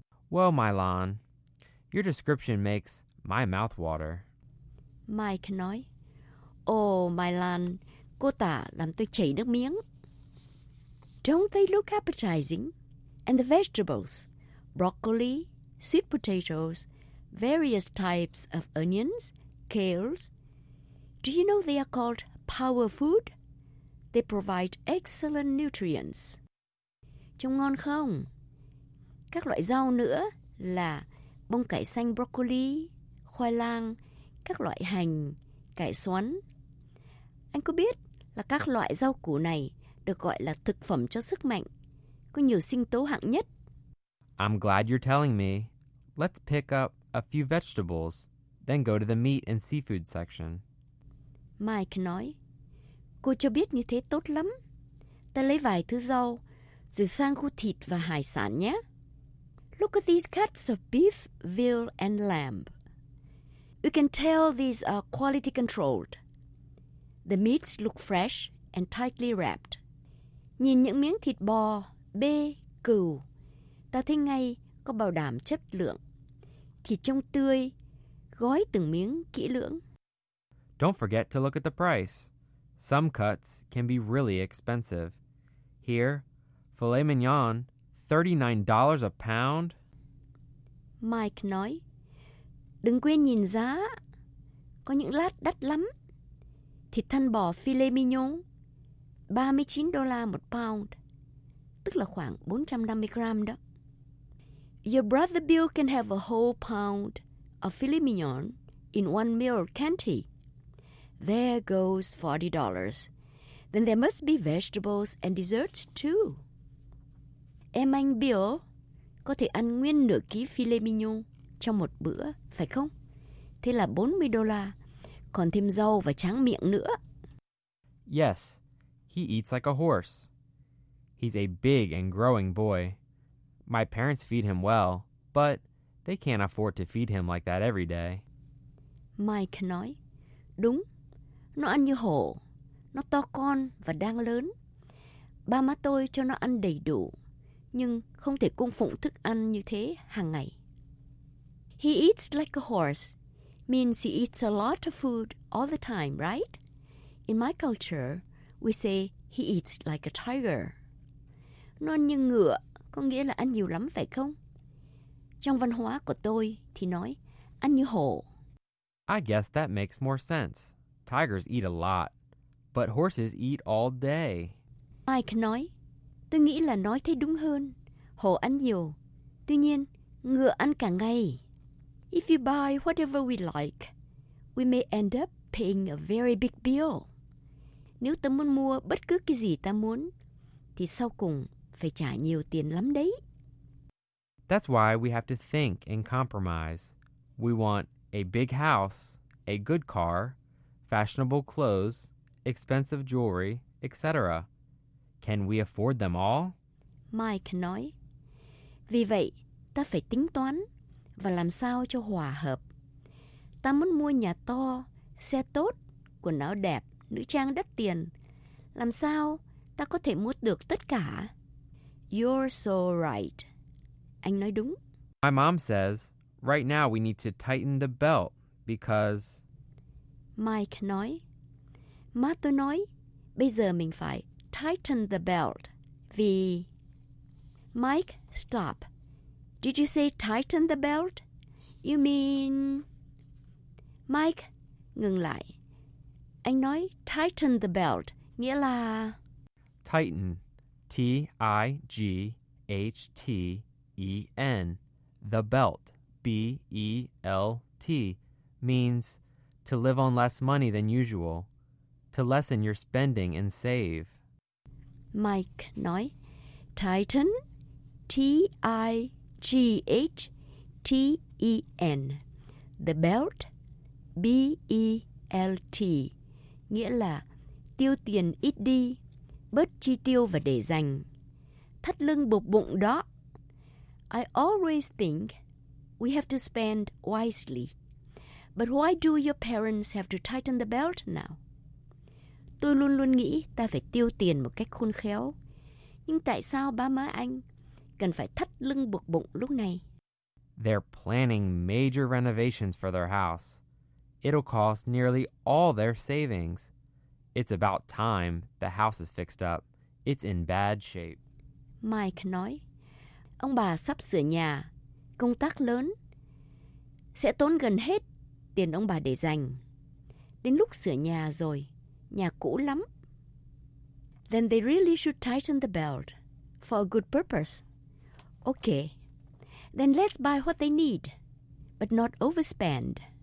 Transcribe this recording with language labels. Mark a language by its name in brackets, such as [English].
[English] Well, Mylon, your description makes my mouth water. [Vietnamese] Mike nói. Oh, Mylon, cô tả làm tôi chảy nước miếng. [English] Don't they look appetizing? And the vegetables, broccoli, sweet potatoes, various types of onions, kales. Do you know they are called power food? They provide excellent nutrients. [Vietnamese] Trông ngon không? Các loại rau nữa là bông cải xanh broccoli, khoai lang, các loại hành, cải xoắn. Anh có biết là các loại rau củ này được gọi là thực phẩm cho sức mạnh, có nhiều sinh tố hạng nhất. [English] I'm glad you're telling me. Let's pick up a few vegetables, then go to the meat and seafood section. [Vietnamese] Mike nói, cô cho biết như thế tốt lắm. Ta lấy vài thứ rau, rồi sang khu thịt và hải sản nhé. [English] Look at these cuts of beef, veal and lamb. You can tell these are quality controlled. The meats look fresh and tightly wrapped. [Vietnamese] Nhìn những miếng thịt bò, bê, cừu, ta thấy ngay có bảo đảm chất lượng. Thịt trông tươi, gói từng miếng kỹ lưỡng. [English] Don't forget to look at the price. Some cuts can be really expensive. Here, filet mignon, $39 a pound. [Vietnamese] Mike nói, đừng quên nhìn giá. Có những lát đắt lắm. Thịt thân bò filet mignon, $39 một pound, tức là khoảng 450 gram đó. [English] Your brother Bill can have a whole pound of filet mignon in one meal, can't he? There goes $40. Then there must be vegetables and desserts too. [Vietnamese] Em anh Bill có thể ăn nguyên nửa ký filet mignon trong một bữa, phải không? Thế là $40. Còn thêm rau và tráng miệng nữa. [English] Yes, he eats like a horse. He's a big and growing boy. My parents feed him well, but they can't afford to feed him like that every day. [Vietnamese] Mike nói, đúng, nó ăn như hổ. Nó to con và đang lớn. Ba má tôi cho nó ăn đầy đủ, nhưng không thể cung phụng thức ăn như thế hàng ngày. [English] He eats like a horse. Means he eats a lot of food all the time, right? In my culture, we say he eats like a tiger. [Vietnamese] Nó như ngựa, có nghĩa là ăn nhiều lắm phải không? Trong văn hóa của tôi thì nói, ăn như hổ. [English] I guess that makes more sense. Tigers eat a lot, but horses eat all day. [Vietnamese] Mike nói, tôi nghĩ là nói thế đúng hơn. Hổ ăn nhiều, tuy nhiên ngựa ăn cả ngày. [English] If you buy whatever we like, we may end up paying a very big bill. [Vietnamese] Nếu ta muốn mua bất cứ cái gì ta muốn, thì sau cùng phải trả nhiều tiền lắm đấy. [English] That's why we have to think and compromise. We want a big house, a good car, fashionable clothes, expensive jewelry, etc. Can we afford them all? [Vietnamese] Mike nói, vì vậy ta phải tính toán. Và làm sao cho hòa hợp. Ta muốn mua nhà to, xe tốt, quần áo đẹp, nữ trang đắt tiền. Làm sao ta có thể mua được tất cả? [English] You're so right. [Vietnamese] Anh nói đúng. [English] My mom says, right now we need to tighten the belt because... [Vietnamese] Mike nói, má tôi nói, bây giờ mình phải [English] tighten the belt [Vietnamese] vì... [English] Mike, stop. Did you say tighten the belt? You mean... [Vietnamese] Mike, ngừng lại. Anh nói [English] tighten the belt, [Vietnamese] nghĩa là... [English] Tighten, T-I-G-H-T, B-E-L-T, the belt, B-E-L-T, means to live on less money than usual, to lessen your spending and save. [Vietnamese] Mike nói, Titan, T-I-G-H-T-E-N, [English] the belt, [Vietnamese] B-E-L-T, nghĩa là tiêu tiền ít đi, bớt chi tiêu và để dành. Thắt lưng buộc bụng đó. [English] I always think we have to spend wisely. But why do your parents have to tighten the belt now? [Vietnamese] Tôi luôn luôn nghĩ ta phải tiêu tiền một cách khôn khéo. Nhưng tại sao ba má anh cần phải thắt lưng buộc bụng lúc này? [English] They're planning major renovations for their house. It'll cost nearly all their savings. It's about time the house is fixed up. It's in bad shape. [Vietnamese] Mike nói, ông bà sắp sửa nhà, công tác lớn, sẽ tốn gần hết tiền ông bà để dành. Đến lúc sửa nhà rồi, nhà cũ lắm. [English] Then they really should tighten the belt for a good purpose. Okay, then let's buy what they need, but not overspend.